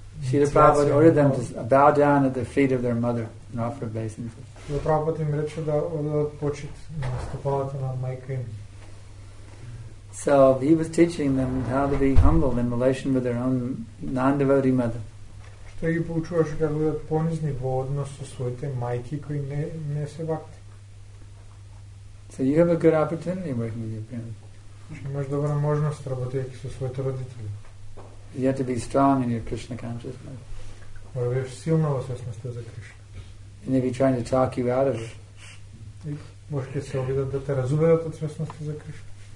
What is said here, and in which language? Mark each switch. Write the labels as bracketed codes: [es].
[en] Шрила Прабхупада ordered them to bow down at the feet of their mother and offer obeisances. [mk] Шрила Прабхупада им рече да одат почит на стопалата на мајка им. [en] So he was teaching them how to be humble in relation with their own non-devotee mother. [mk] Што ги поучуваше како да понизни во однос со своите мајки кои не се бакти. [en] So you have a good opportunity working with your parents. [mk] Имаш добра можност работејќи со своите родители. [en] You have to be strong in your Krishna consciousness. [mk] Мора да бидеш силна во свесноста за Кришна. [en] And if he's trying to talk you out of it. [mk] Може да се обидат да те разубедат од свесноста за Кришна.